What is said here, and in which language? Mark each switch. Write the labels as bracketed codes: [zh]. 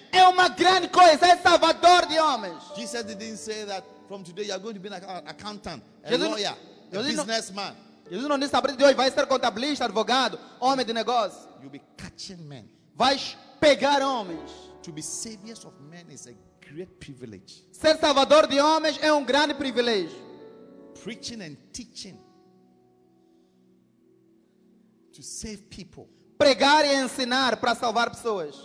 [pt] É uma grande coisa, é salvador de homens. [en] Jesus didn't say that. From today, you are going to be an accountant, a lawyer, a businessman. [pt] Jesus não disse a partir de hoje vai ser contabilista, advogado, homem de negócio. [en] You'll be catching men. [pt] Vai pegar homens. [en] To be saviors of men is a great privilege. [pt] Ser salvador de homens é grande privilégio. [en] Preaching and teaching to save people. [pt] Pregar e ensinar para salvar pessoas.